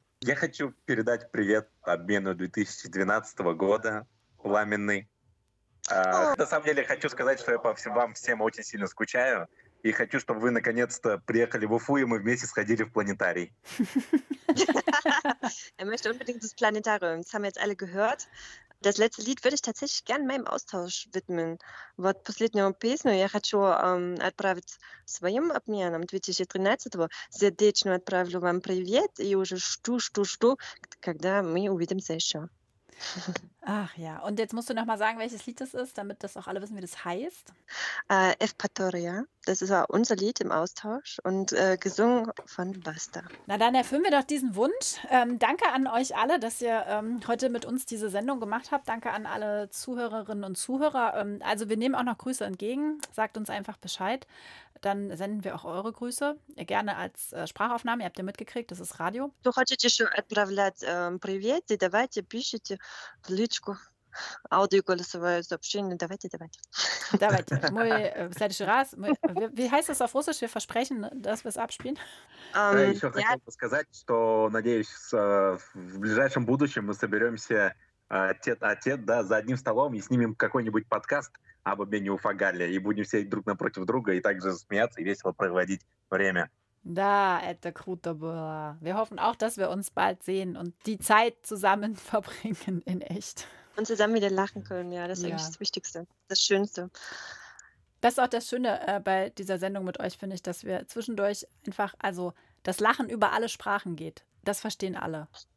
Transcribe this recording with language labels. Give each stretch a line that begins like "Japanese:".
Russian: Я хочу передать привет обмену 2012 года, пламенный. На самом деле, хочу сказать, что я по всем вам всем очень сильно скучаю. И хочу, чтобы вы наконец-то приехали в Уфу, и мы вместе сходили в планетарий. Я хочу
German: unbedingt das Planetarium. Das haben wir jetzt alle gehört. Das letzte Lied würde ich tatsächlich gerne meinem Austausch widmen.
Russian: Вот последнюю песню я хочу отправить своим обменам 2013-го. Сердечно отправлю вам привет и уже жду, когда мы увидимся еще.
German: Ach ja, und jetzt musst du nochmal sagen, welches Lied das ist, damit das auch alle wissen, wie das heißt. Evpatoria, das war unser Lied im Austausch und gesungen von Basta. Na dann erfüllen wir doch diesen Wunsch. Danke an euch alle, dass ihr heute mit uns diese Sendung gemacht habt. Danke an alle Zuhörerinnen und Zuhörer. Also wir nehmen auch noch Grüße entgegen. Sagt uns einfach Bescheid. Dann senden wir auch eure Grüße, gerne als Sprachaufnahme. Ihr habt ja mitgekriegt, das ist Radio.
Russian: Du хочете еще отправлять привет, давайте пишите в личку, аудиоголосовое сообщение, давайте. Давайте. Мой следующий раз.
German: Wie heißt das auf Russisch? Wir versprechen, dass wir es abspielen.
Russian: Еще хотел бы сказать, что, надеюсь, в ближайшем будущем мы соберемся тет-а-тет, да, за одним столом и снимем какой-нибудь подкаст об обмене Уфа-Галле, и будем сидеть друг напротив друга и также смеяться и весело проводить время. Да, это круто было.
German: Wir hoffen auch, dass wir uns bald sehen und die Zeit zusammen verbringen in echt. Und zusammen wieder lachen können, ja, das ist eigentlich das Wichtigste, das Schönste. Das ist auch das Schöne bei dieser Sendung mit euch, finde ich, dass wir zwischendurch einfach, also das Lachen über alle Sprachen geht, das verstehen alle.